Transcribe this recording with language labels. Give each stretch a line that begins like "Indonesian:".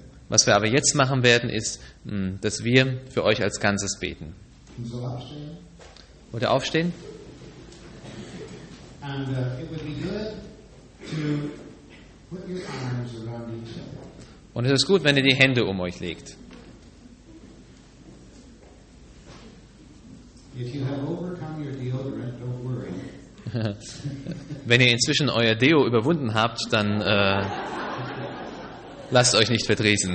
German: Was wir aber jetzt machen werden, ist, dass wir für euch als Ganzes beten. Wollt ihr aufstehen? Und es würde gut
English: To put your arms around each other.
German: Und es ist gut, wenn ihr die Hände um euch legt.
English: If you have overcome your deodorant, don't worry.
German: Wenn ihr inzwischen euer Deo überwunden habt, dann lasst euch nicht verdrießen.